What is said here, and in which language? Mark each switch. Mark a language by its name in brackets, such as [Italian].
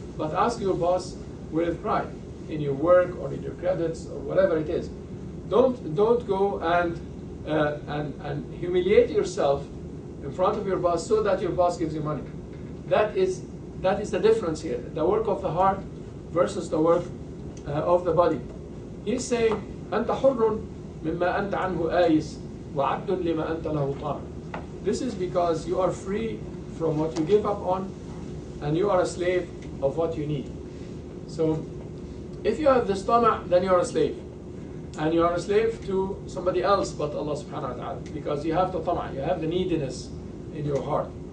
[English] But ask your boss with pride in your work or in your credits or whatever it is. Don't go and humiliate yourself in front of your boss so that your boss gives you money. That is the difference here. The work of the heart versus the work of the body. He's saying, [Arabic] أنت حر مما أنت عنه آيس وعبد لما أنت له طاعم. [English] This is because you are free from what you give up on, and you are a slave of what you need. So if you have the stomach, then you are a slave. And you are a slave to somebody else but Allah subhanahu wa ta'ala, because you have the tama, you have the neediness in your heart.